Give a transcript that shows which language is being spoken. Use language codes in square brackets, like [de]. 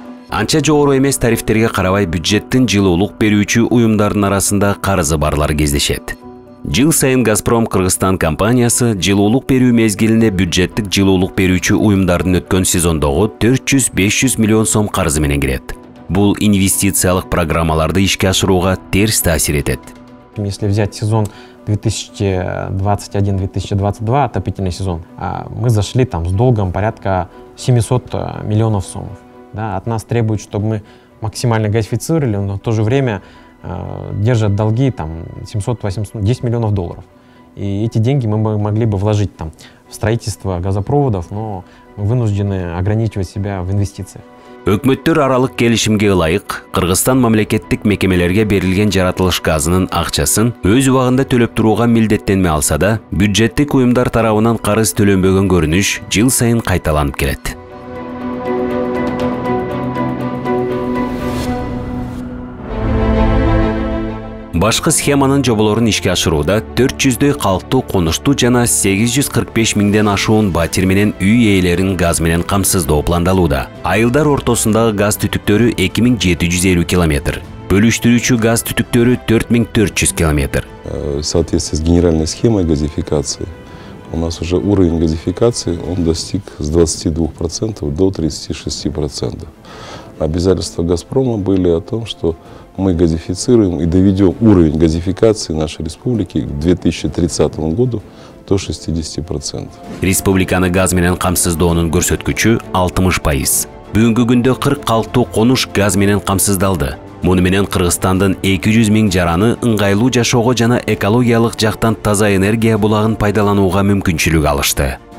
[ky] Анча жогору эмес тарифтерге карабай бюджеттин жылуулук берүүчү уюмдардын арасында карызы барлар кездешет. Жыл сайын «Газпром Кыргызстан» компаниясы жылуулук берүү мезгилине бюджеттик жылуулук берүүчү уюмдардын өткөн сезондогу 400-500 миллион сом карызы менен кирет. Бул инвестициялык программаларды ишке ашырууга терс таасир этет. [ru] Если взять сезон 2021-2022, отопительный сезон, мы зашли там с долгом порядка 700 миллионов сомов. Да, от нас требуют, чтобы мы максимально газифицировали, но в то же время держат долги там 700-800, 10 миллионов долларов. И эти деньги мы могли бы вложить там в строительство газопроводов, но мы вынуждены ограничивать себя в инвестициях. [ky] Өкмөттөр аралык келишимге ылайык, Кыргызстан мамлекеттик мекемелерге берилген жаратылыш газынын акчасын өз убагында төлөп турууга милдеттенме алса да, бюджеттик уюмдар тарабынан карыз төлөнбөгөн көрүнүш жыл сайын кайталанып келет. Башкы схеманын жоболорун ишке ашырууда 400-дөй калктуу конуштуу жана 845 миңден ашуун батир менен үй ээлерин газ менен камсыздоо пландалууда. Айылдар ортосундагы газ түтүктөрү 2750 километр. Бөлүштүрүүчү газ түтүктөрү 4400 километр. [ru] Соответственно, с генеральной схемой газификации у нас уже уровень газификации он достиг с 22% до 36%. Обязательства «Газпрома» были о том, что мы газифицируем и доведем уровень газификации нашей республики к 2030 году до 60%. [ky] Республиканы газ менен камсыздоонун көрсөткүчү 60%. Бүгүнкү күндө 46 конуш газ менен камсыздалды. Муну менен Кыргызстандын 200 миң жараны ыңгайлуу жашоого жана экологиялык жактан таза энергия булагын пайдаланууга мүмкүнчүлүк алышты.